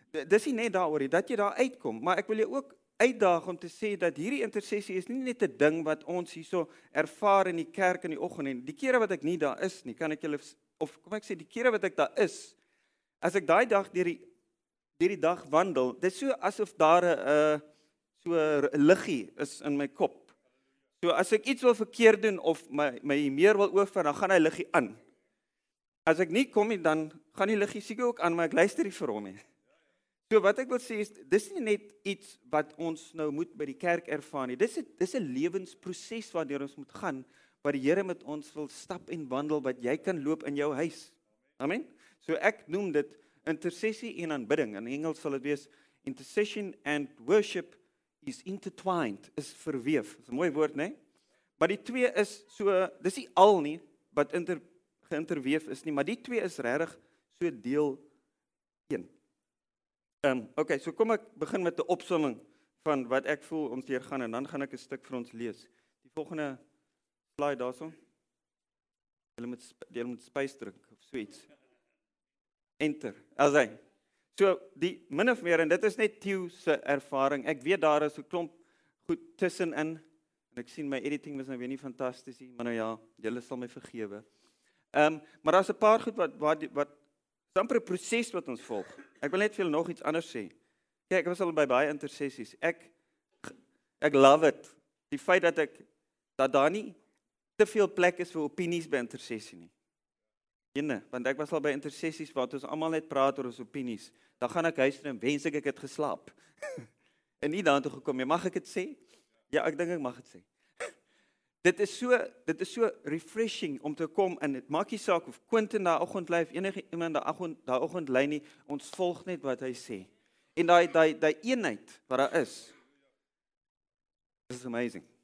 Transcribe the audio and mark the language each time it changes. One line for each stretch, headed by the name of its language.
Afrikaans: Dis nie net daaroor dat jy daar uitkom, maar ek wil jou ook uitdaag om te sê dat hierdie intersessie is nie net 'n ding wat ons hierso ervaar in die kerk in die oggend en die kere wat ek nie daar is nie, kan ek julle of kom ek sê die kere wat ek daar is, as ek daai dag deur die dag wandel, dis so asof daar 'n so 'n liggie is in my kop. So as ek iets wil verkeerd doen of my meer wil oefen, dan gaan hy liggie aan. As ek nie kom nie, dan gaan die liggie seker ook aan, maar ek luister nie vir hom nie. So wat ek wil sê is, dis nie net iets wat ons nou moet by die kerk ervaar nie. Dis 'n lewensproses waardeur ons moet gaan, wat die Here met ons wil stap en wandel, wat jy kan loop in jou huis. Amen. So ek noem dit intercessie en aanbidding. In Engels sal dit wees,
English: intercession and worship is intertwined,
Afrikaans: is verweef. Dis 'n mooi woord, nee? Maar die twee is so, dis nie al nie, wat geïnterweef is nie, maar die twee is regtig so deel een. Okay, so kom ek begin met 'n opsomming van wat ek voel ons hier gaan en dan gaan ek 'n stuk vir ons lees. Die volgende slide daarson. Jy moet spys druk of so iets. Enter. Alsai. So die min of meer en dit is net Theo se ervaring. Ek weet daar is 'n klomp goed tussenin en ek sien my editing was nou weer nie fantasties nie, maar nou ja, julle sal my vergewe. Maar daar's 'n paar goed wat amper 'n proses wat ons volg. Ek wil net vir julle nog iets anders sê. Kyk, ek was al by baie intersessies. Ek love it. Die feit dat daar nie te veel plek is vir opinies by intersessie nie. Jene, want ek was al by intersessies waar ons almal net praat oor ons opinies. Dan gaan ek huis toe en wens ek het geslaap. En nie daartoe gekom nie. Mag ek dit sê? Ja, ek dink ek mag dit sê. Dit is so refreshing om te kom en dit maak nie saak of Quentin daai oggend lei of enige iemand daai oggend lei nie, ons volg net wat hy sê. En daai eenheid wat daar is. Is amazing.